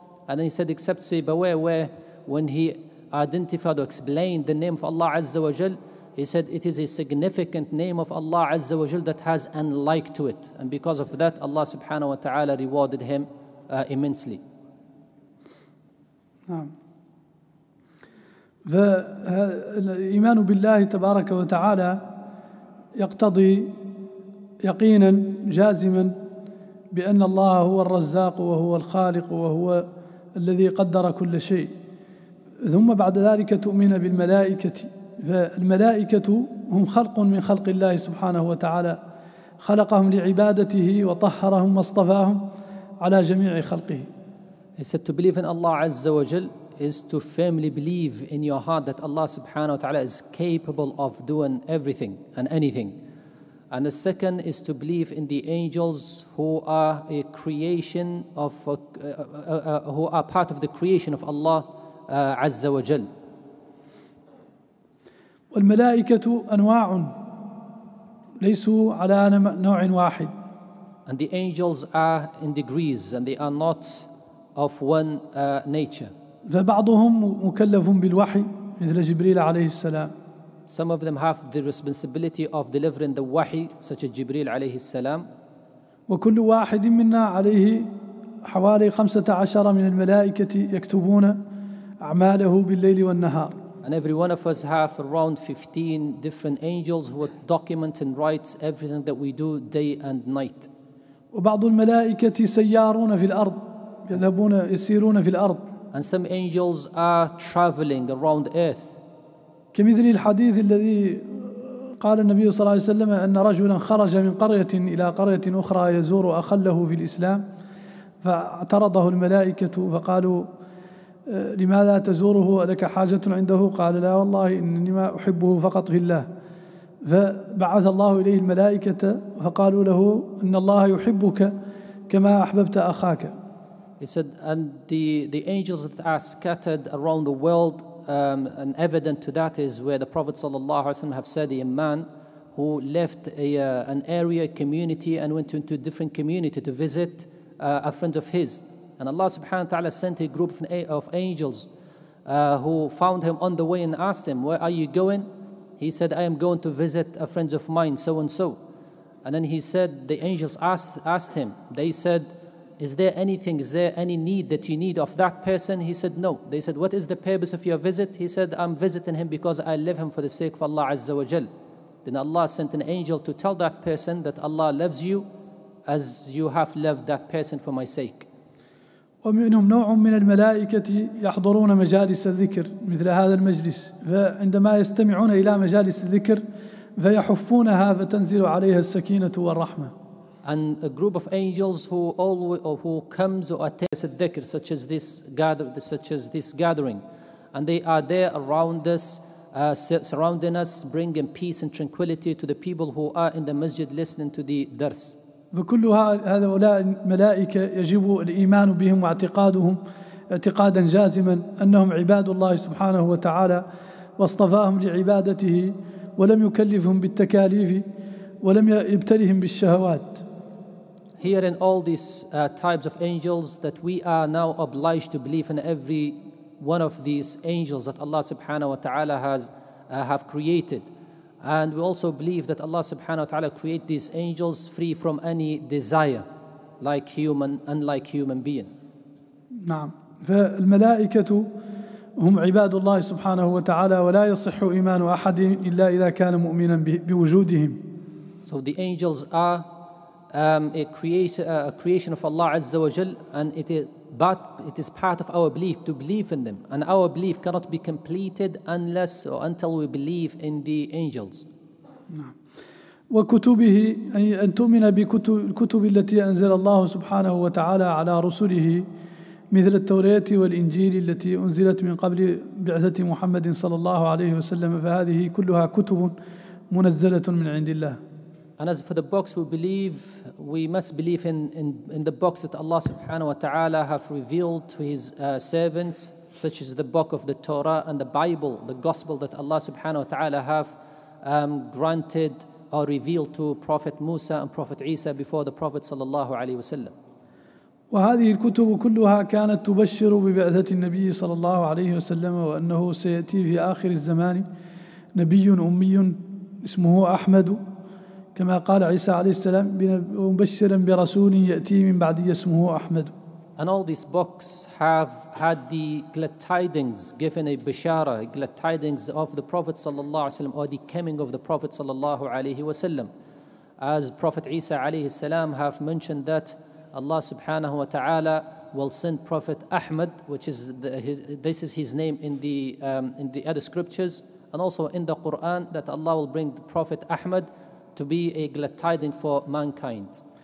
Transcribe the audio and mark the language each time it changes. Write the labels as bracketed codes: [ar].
[en] And then he said, except Sibawayh, where when he identified or explained the name of Allah Azza wa Jal, he said it is a significant name of Allah Azza wa Jal that has unlike to it. And because of that, Allah subhanahu wa ta'ala rewarded him immensely. [ar] فالإيمان بالله تبارك وتعالى يقتضي يقينا جازما بأن الله هو الرزاق وهو الخالق وهو الذي قدر كل شيء، ثم بعد ذلك تؤمن بالملائكة، فالملائكة هم خلق من خلق الله سبحانه وتعالى، خلقهم لعبادته وطهرهم واصطفاهم على جميع خلقه. [en] He said to believe in Allah Azza wa Jal is to firmly believe in your heart that Allah subhanahu wa ta'ala is capable of doing everything and anything. And the second is to believe in the angels who are a creation of who are part of the creation of Allah Azza wa Jal. [ar] والملائكة أنواع ليسوا على نوع واحد. [en] And the angels are in degrees and they are not of one nature. [ar] فبعضهم مكلف بالوحي مثل جبريل عليه السلام. [en] Some of them have the responsibility of delivering the wahi, such as [ar] جبريل عليه السلام. وكل واحد منا عليه حوالي 15 من الملائكة يكتبون أعماله بالليل والنهار. [en] And every one of us have around 15 different angels who would document and write everything that we do day and night. [ar] وبعض الملائكة سيارون في الأرض يذهبون يسيرون في الأرض. [en] And some angels are traveling around earth. [ar] كمثل الحديث الذي قال النبي صلى الله عليه وسلم أن رجلا خرج من قرية إلى قرية أخرى يزور أخا له في الإسلام، فاعترضه الملائكة فقالوا لماذا تزوره؟ ألك حاجة عنده؟ قال لا والله إنما أحبه فقط في الله. فبعث الله إليه الملائكة فقالوا له إن الله يحبك كما أحببت أخاك. [en] He said, and the angels that are scattered around the world, an evident to that is where the Prophet sallallahu alaihi wasallam have said a man who left an area community and went into a different community to visit a friend of his. And Allah subhanahu wa ta'ala sent a group of angels who found him on the way and asked him, where are you going? He said, I am going to visit a friend of mine, so and so. And then he said, the angels asked him, they said, is there anything, is there any need that you need of that person? He said, no. They said, what is the purpose of your visit? He said, I'm visiting him because I love him for the sake of Allah Azza wa Jal. Then Allah sent an angel to tell that person that Allah loves you as you have loved that person for my sake. [ar] ومنهم نوع من الملائكة يحضرون مجالس الذكر مثل هذا المجلس، فعندما يستمعون إلى مجالس الذكر فيحفونها فتنزل عليها السكينة والرحمة. [en] And a group of angels who comes or attends the dhikr, such as this gathering, and they are there around us, surrounding us, bringing peace and tranquility to the people who are in the masjid listening to the dars. [ar] فكل هؤلاء الملائكة يجب الإيمان بهم واعتقادهم اعتقادا جازما أنهم عباد الله سبحانه وتعالى، واصطفاهم لعبادته ولم يكلفهم بالتكاليف ولم يبتلهم بالشهوات. [en] hearing all these types of angels that we are now obliged to believe in every one of these angels that Allah subhanahu wa ta'ala has have created. And we also believe that Allah subhanahu wa ta'ala create these angels free from any desire, like human, unlike human being. [ar] نعم. فالملائكة هم عباد الله سبحانه وتعالى ولا يصح إيمان أحد إلا إذا كان مؤمنا بوجودهم. [en] So the angels are a creation of Allah [ar] عز وجل, [en] and it is part of our belief to believe in them, and our belief cannot be completed unless or until we believe in the angels. [ar] وكتبه, أي أن تؤمن بالكتب التي أنزل الله سبحانه وتعالى على رسله مثل التوراة والإنجيل التي أنزلت من قبل بعثة محمد صلى الله عليه وسلم, فهذه كلها كتب منزلة من عند الله. [en] And as for the books, we believe, we must believe in the books that Allah subhanahu wa ta'ala have revealed to his servants, such as the book of the Torah and the Bible, the gospel that Allah subhanahu wa ta'ala have granted or revealed to Prophet Musa and Prophet Isa before the Prophet sallallahu alayhi wa sallam. [ar] وهذه الكتب كلها كانت تبشر ببعثة النبي صلى الله عليه وسلم, وأنه سيأتي في آخر الزمان نبي أمي اسمه أحمد, كما قال عيسى عليه السلام, مبشرا برسول يأتي من بعدي اسمه أحمد. [en] And all these books have had the glad tidings, given a bishara, glad tidings of the Prophet [ar] صلى الله عليه وسلم, [en] or the coming of the Prophet صلى الله عليه وسلم. As Prophet [ar] عيسى عليه السلام [en] have mentioned that Allah subhanahu wa ta'ala will send Prophet Ahmad, which is this is his name in the other scriptures, and also in the Quran, that Allah will bring the Prophet Ahmad to be a glad tiding for mankind.